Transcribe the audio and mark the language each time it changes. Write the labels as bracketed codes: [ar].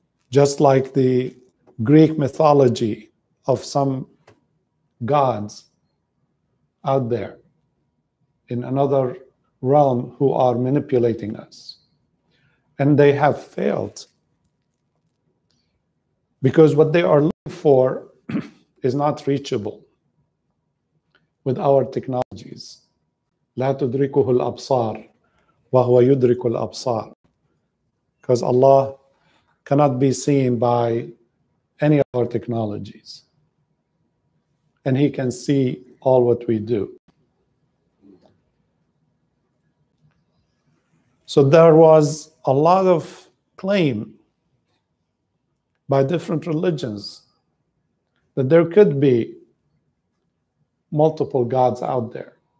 [en] Just like the Greek mythology of some gods out there in another realm who are manipulating us. And they have failed. Because what they are looking for is not reachable with our technologies. [ar] لا تدركه الأبصار وهو يدرك الأبصار. [en] Because Allah cannot be seen by any of our technologies. And He can see all what we do. So there was a lot of claim by different religions that there could be multiple gods out there.